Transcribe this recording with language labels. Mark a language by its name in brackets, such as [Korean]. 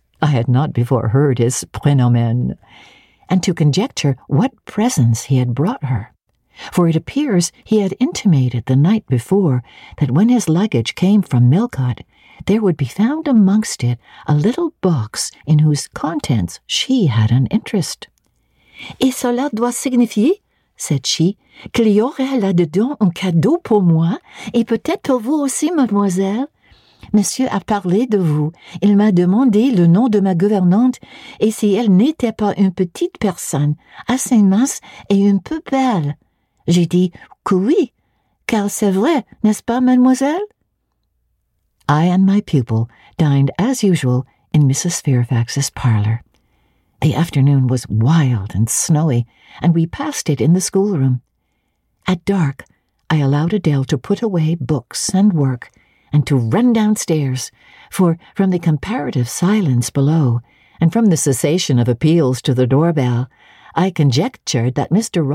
[English] I had not before heard his prénomen, and to conjecture what presents he had brought her. For it appears he had intimated the night before that when his luggage came from Millcote, there would be found amongst it a little box in whose contents she had an interest. [French] Et cela doit signifier, [English] said she, [French] qu'il y aurait là-dedans un cadeau pour moi, et peut-être pour vous aussi, mademoiselle. Monsieur a parlé de vous. Il m'a demandé le nom de ma gouvernante, et si elle n'était pas une petite personne, assez mince et un peu belle. J'ai dit que oui, car c'est vrai, n'est-ce pas, mademoiselle? [English] I and my pupil dined, as usual, in Mrs. Fairfax's parlor. The afternoon was wild and snowy, and we passed it in the schoolroom. At dark, I allowed Adele to put away books and work, and to run downstairs, for from the comparative silence below, and from the cessation of appeals to the doorbell, I conjectured that Mr.